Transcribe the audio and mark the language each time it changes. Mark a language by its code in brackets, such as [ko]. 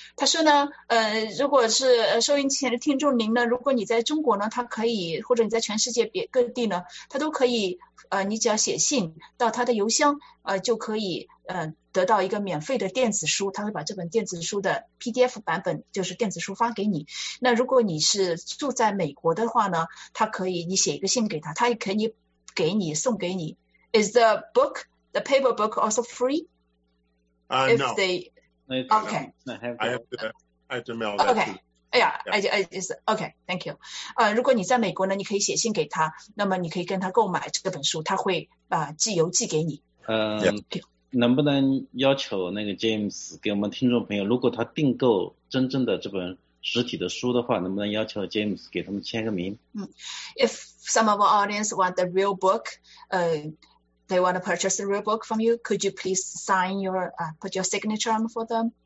[zh] 他说呢，如果是收音机前的听众您呢，如果你在中国呢，他可以，或者你在全世界各地呢，他都可以，你只要写信到他的邮箱，就可以，得到一个免费的电子书，他会把这本电子书的 PDF 版本，就是电子书发给你。那如果你是住在美国的话呢，他可以，你写一个信给他，他也可以给你，送给你。 [en] Is the book, the paper book also free? No. Okay. I have to mail that. Okay. Yeah, I just, okay, thank you. [zh] 如果你在美国呢，你可以写信给他，那么你可以跟他购买这本书，他会寄邮寄给你。能不能要求那个 James 给我们听众朋友，如果他订购真正的这本实体的书的话，能不能要求 James 给他们签个名？ [en] If some of our audience want the real book, they want to purchase the real book from you, could you please sign your, put your signature on for them?